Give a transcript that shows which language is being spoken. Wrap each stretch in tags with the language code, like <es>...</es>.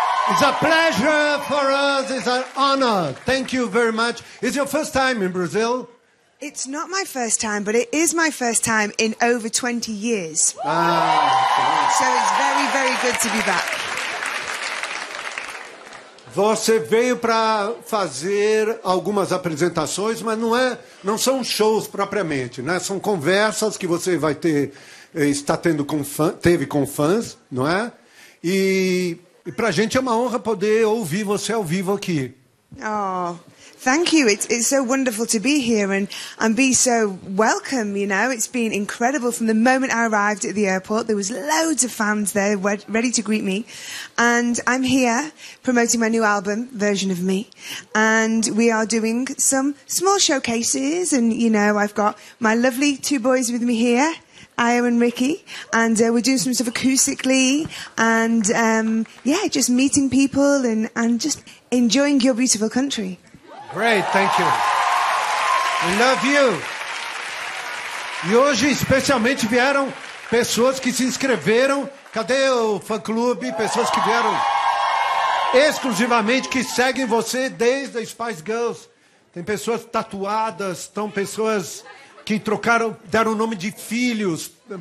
<en>It's a pleasure for us, it's an honor. Thank you very much. It's your first time in Brazil? It's not my first time, but it is my first time in over 20 years. So it's very, very good to be back.</en> <pt>Você veio para fazer algumas apresentações, mas não são shows propriamente, né? São conversas que você vai ter, está tendo com teve com fãs, não é? E para a gente é uma honra poder ouvir você ao vivo aqui.</pt> <en>Oh. Thank you. It's so wonderful to be here and be so welcome, you know. It's been incredible. From the moment I arrived at the airport, there was loads of fans there ready to greet me. And I'm here promoting my new album, Version of Me. And we are doing some small showcases. And, you know, I've got my lovely two boys with me here, Io and Ricky. And we're doing some stuff acoustically. And, yeah, just meeting people and just enjoying your beautiful country. Great, thank you. We love you.</en> <pt>E hoje especialmente vieram pessoas que se inscreveram. Cadê o fã-clube? Pessoas que vieram exclusivamente, que seguem você desde a Spice Girls. Tem pessoas tatuadas, estão pessoas que trocaram, deram o nome de filhos.</pt>